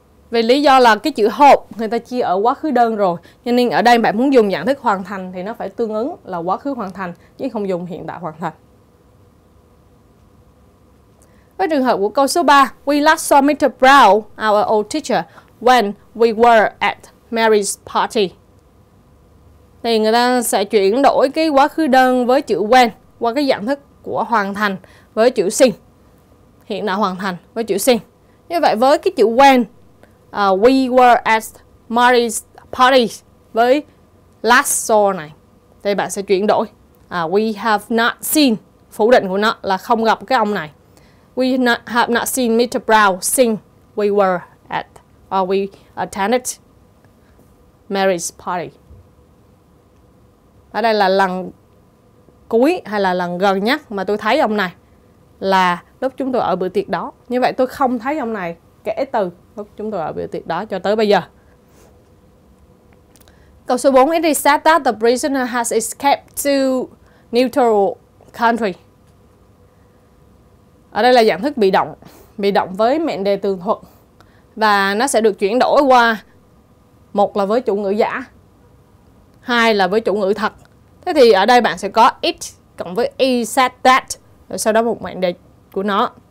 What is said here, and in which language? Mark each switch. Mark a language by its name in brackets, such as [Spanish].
[Vietnamese] Vì lý do là cái chữ hope người ta chia ở quá khứ đơn rồi. Cho nên ở đây bạn muốn dùng dạng thức hoàn thành thì nó phải tương ứng là quá khứ hoàn thành, chứ không dùng hiện tại hoàn thành. Với trường hợp của câu số 3, [English] we last saw Mr. Brown, our old teacher, when we were at Mary's party. [Vietnamese] Thì người ta sẽ chuyển đổi cái quá khứ đơn với chữ when qua cái dạng thức của hoàn thành với chữ since. Hiện tại hoàn thành với chữ since. Như vậy với cái chữ [English] when, we were at Mary's party, [Vietnamese] với [English] last saw [Vietnamese] này, thì bạn sẽ chuyển đổi. [English] We have not seen, [Vietnamese] phủ định của nó là không gặp cái ông này. [English] We not, have not seen Mr. Brown since we were at, or we attended Mary's party. [Vietnamese] Ở đây là lần cuối hay là lần gần nhất mà tôi thấy ông này là lúc chúng tôi ở bữa tiệc đó. Như vậy tôi không thấy ông này kể từ lúc chúng tôi ở bữa tiệc đó cho tới bây giờ. Câu số 4, [English] it is said that the prisoner has escaped to neutral country. [Vietnamese] Ở đây là dạng thức bị động với mệnh đề tường thuật. Và nó sẽ được chuyển đổi qua, một là với chủ ngữ giả, hai là với chủ ngữ thật. Thế thì ở đây bạn sẽ có it cộng với [English] is said that, [Vietnamese] rồi sau đó một mệnh đề của nó.